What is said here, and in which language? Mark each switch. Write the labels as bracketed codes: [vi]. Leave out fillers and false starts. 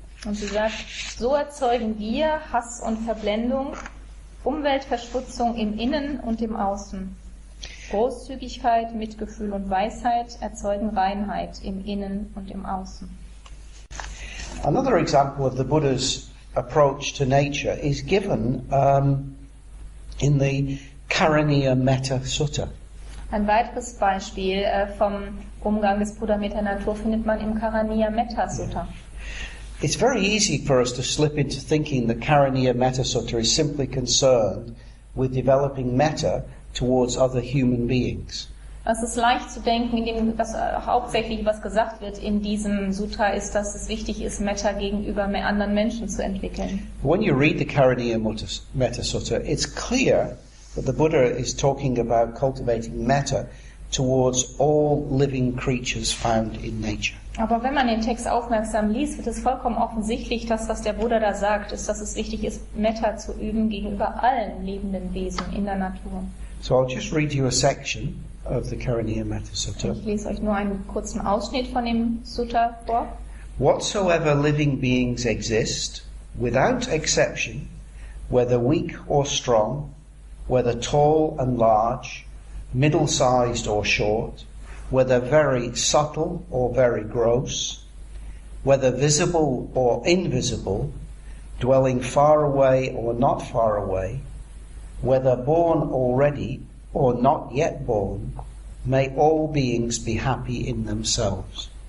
[de] Und sie sagt, so erzeugen wir Hass und Verblendung, Umweltverschmutzung im Innen und im Außen. Großzügigkeit, Mitgefühl und Weisheit erzeugen Reinheit im Innen und im Außen. [en] Another example of the Buddha's approach to nature is given in the Karaniya Metta Sutta. [de] Ein weiteres Beispiel vom Umgang des Buddha mit der Natur findet man im Karaniya Metta Sutta. [en] It's very easy for us to slip into thinking the Karaniya Metta Sutta is simply concerned with developing metta towards other human beings. [de] Es ist leicht zu denken, dass hauptsächlich was gesagt wird in diesem Sutra ist, dass es wichtig ist, Metta gegenüber mehr anderen Menschen zu entwickeln. [en] When you read the Karaniya Metta Sutta, it's clear that the Buddha is talking about cultivating metta towards all living creatures found in nature. [de] Aber wenn man den Text aufmerksam liest, wird es vollkommen offensichtlich, dass was der Buddha da sagt, ist, dass es wichtig ist, Metta zu üben gegenüber allen lebenden Wesen in der Natur. [en] So I'll just read you a section of the Karaniya Metta Sutta. [de] Ich lese euch nur einen kurzen Ausschnitt von dem Sutta vor. [en] Whatsoever living beings exist, without exception, whether weak or strong, whether tall and large, middle-sized or short, whether very subtle or very gross, whether visible or invisible, dwelling far away or not far away, whether born already or not yet born, may all beings be happy in themselves.